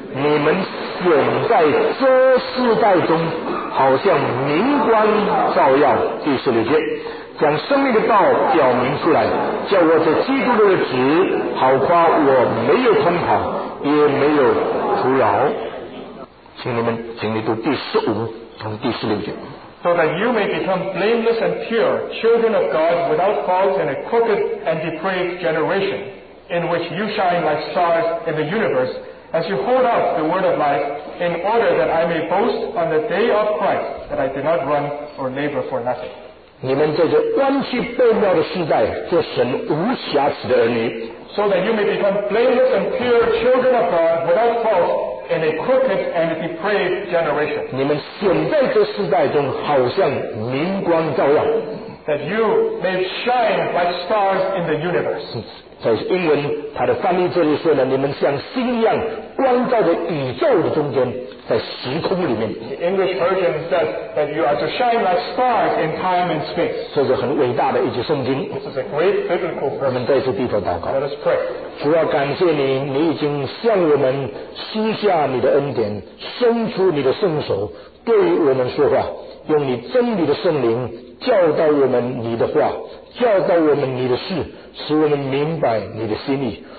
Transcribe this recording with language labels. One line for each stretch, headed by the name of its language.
Chinese: 你们显在这世代中好像明光照耀。第十六节，将生命的道表明出来，叫我这基督的子好夸我没有空跑也没有徒劳。请你们，请你读第十五和第十六节。
English: So that you may become blameless and pure, children of God, without fault in a crooked and depraved generation, in which you shine like stars in the universe, as you hold out the word of life, in order that I may boast on the day of Christ that I did not run or labor for nothing.
Chinese: 你们在这弯曲背谬的时代做神无瑕疵的儿女。
English: So that you may become blameless and pure children of God without fault in a crooked and depraved generation.
Chinese: 你们显在这时代中好像明光照耀。
English: That you may shine like stars in the universe.
Chinese: 在英文它的翻译这里说呢，你们像星一样光照在宇宙的中间，在时空里面。
English: The English version says that you are to shine like stars in time and space.
Chinese: 这是很伟大的一句圣经。
English: This is a great biblical verse.
Chinese: 我们再次低头祷告。
English: Let us pray.
Chinese: 主要感谢你，你已经向我们施下你的恩典，伸出你的圣手，对于我们说话，用你真理的圣灵教导我们你的话，教导我们你的事，使我们明白你的心意。